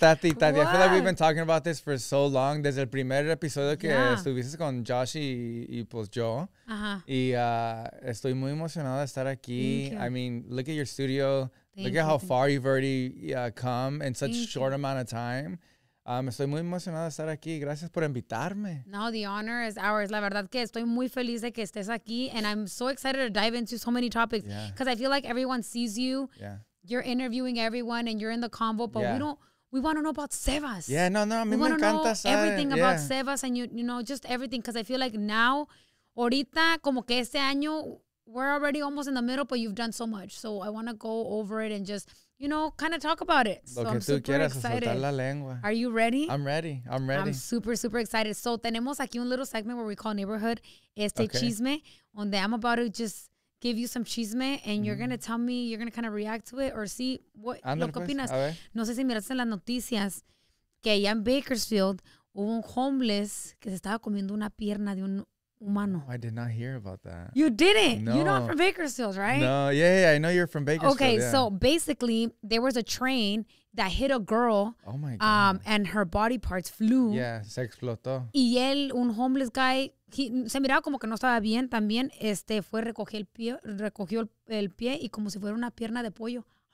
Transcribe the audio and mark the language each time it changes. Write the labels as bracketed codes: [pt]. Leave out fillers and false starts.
[en] What? I feel like we've been talking about this for so long. [es] Desde el primer episodio que estuviste con Josh y pues yo. Y estoy muy emocionado de estar aquí. [en] I mean, look at your studio. Look at how far you've already come in such short amount of time. [es] Estoy muy emocionado de estar aquí. Gracias por invitarme. [en] No, the honor is ours. [es] La verdad que estoy muy feliz de que estés aquí. [en] And I'm so excited to dive into so many topics. Because I feel like everyone sees you. You're interviewing everyone and you're in the convo. But we want to know about Sebas. We want to know everything about Sebas and you know, just everything. Because I feel like now, [es] ahorita, como que este año, [en] we're already almost in the middle, but you've done so much. So I want to go over it and just... you know, kind of talk about it. [es] Lo que tú quieras, soltar la lengua. [en] Are you ready? I'm ready. I'm super, super excited. So [es] tenemos aquí un [en] little segment where we call neighborhood chisme, [es] donde [en] I'm about to just give you some chisme, and you're going to tell me, you're going to kind of react to it, or see what, [es] lo que opinas. No sé si miraste en las noticias, que allá en Bakersfield, hubo un homeless que se estaba comiendo una pierna de un... humano. [en] I did not hear about that. You didn't? No. You're not from Bakersfield, right? No. Yeah, I know you're from Bakersfield. Okay, yeah. So basically, there was a train that hit a girl. Oh my God. And her body parts flew. [es] Yeah, se explotó. Y él, un [en] homeless guy, [es] se miraba como que no estaba bien también. Fue recogió el pie y como si fuera una pierna de pollo.